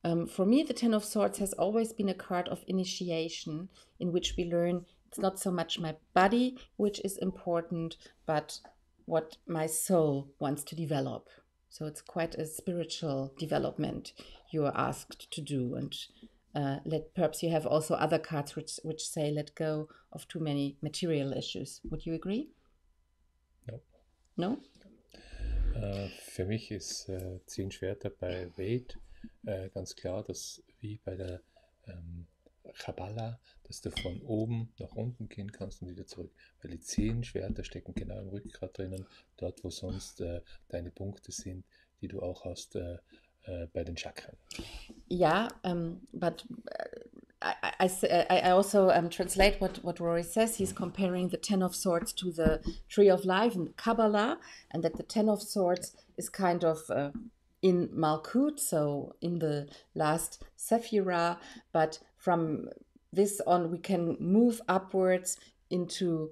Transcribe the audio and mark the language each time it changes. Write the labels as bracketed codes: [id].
[en] For me, the Ten of Swords has always been a card of initiation in which we learn it's not so much my body which is important, but what my soul wants to develop. So it's quite a spiritual development you are asked to do. And perhaps you have also other cards which say let go of too many material issues. Would you agree? No. No? [de] Für mich ist 10 Schwerter bei Weight ganz klar, dass wie bei der Kabbala, dass du von oben nach unten gehen kannst und wieder zurück. Weil die 10 Schwerter stecken genau im Rückgrat drinnen, dort wo sonst deine Punkte sind, die du auch hast bei den Chakren. [en] Ja, yeah, but I also translate what Rory says. He's comparing the Ten of Swords to the Tree of Life in Kabbalah, and that the Ten of Swords is kind of in Malkut, so in the last Sephira, but from this on, we can move upwards into